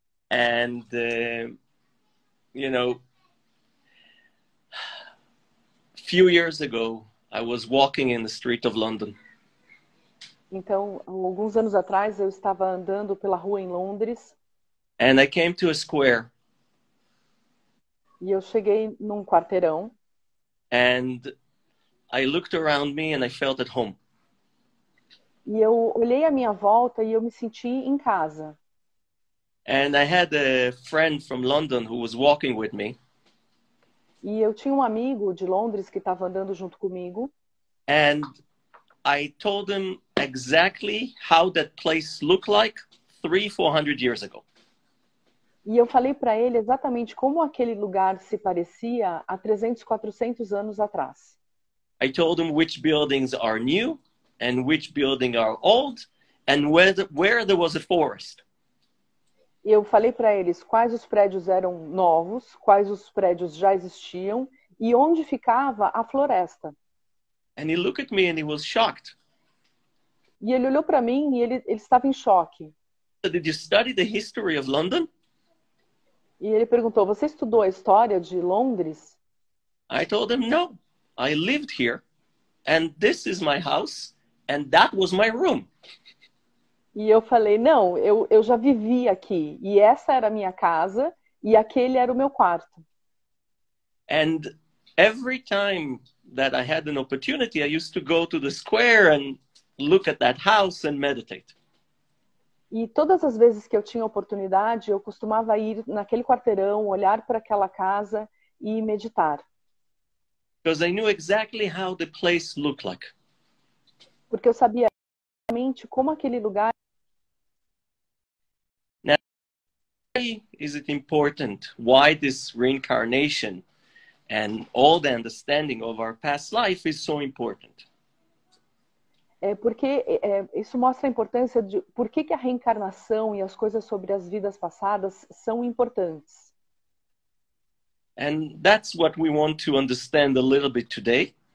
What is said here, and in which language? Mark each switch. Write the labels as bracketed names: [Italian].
[English] And you know, few years ago, I was walking in the street of London. [Portuguese] Então, alguns anos atrás, eu estava andando pela rua em Londres. [English] And I came to a square. [Portuguese] E eu cheguei num quarteirão. [English] And I looked around me and I felt at home. [Portuguese] E eu olhei à minha volta e eu me senti em casa. [English] And I had a friend from London who was walking with me. [Portuguese] E eu tinha um amigo de Londres que estava andando junto comigo. [English] And I told him exactly how that place looked like 300-400 years ago. [Portuguese] E eu falei para ele exatamente como aquele lugar se parecia há 300, 400 anos atrás. [English] I told him which buildings are new and which buildings are old and where there was a forest. [Portuguese] E eu falei para eles quais os prédios eram novos, quais os prédios já existiam e onde ficava a floresta. [English] And he looked at me and he was shocked. [Portuguese] E ele olhou para mim e ele estava em choque. [English] So did you study the history of London? [Portuguese] E ele perguntou: você estudou a história de Londres? [English] I told him no. I lived here and this is my house and that was my room. [Portuguese] E eu falei: não, eu já vivi aqui e essa era a minha casa e aquele era o meu quarto. [English] And every time that I had an opportunity, I used to go to the square and look at that house and meditate. [Portuguese] E todas as vezes que eu tinha oportunidade, eu costumava ir naquele quarteirão, olhar para aquela casa e meditar. [English] Because I knew exactly how the place looked like. [Portuguese] Porque eu sabia exatamente como aquele lugar. [English] Now, why is it important? Why this reincarnation and all the understanding of our past life is so important? [Portuguese] É porque isso mostra a importância de por que que a reencarnação e as coisas sobre as vidas passadas são importantes. [English] And that's what we want to understand a little bit today.